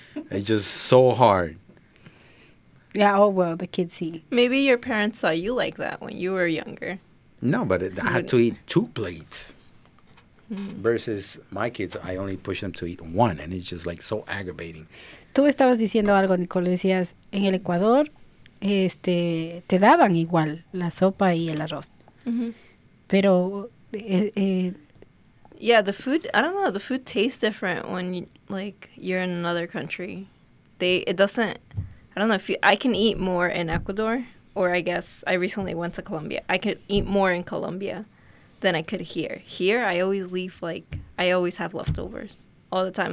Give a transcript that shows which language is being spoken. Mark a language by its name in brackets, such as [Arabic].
[English] It's just so hard. Yeah, oh, well, the kids eat. Maybe your parents saw you like that when you were younger. No, but I had to eat two plates. Mm-hmm. Versus my kids, I only push them to eat one, and it's just, like, so aggravating. [Spanish] Tú estabas diciendo algo, Nicole, decías, en el Ecuador, te daban igual la sopa y el arroz. Mm-hmm. Pero, [English] yeah, the food, I don't know, the food tastes different when, you, like, you're in another country. I don't know if I can eat more in Ecuador, or I guess I recently went to Colombia. I could eat more in Colombia than I could here. Here, I always leave, like, I always have leftovers all the time.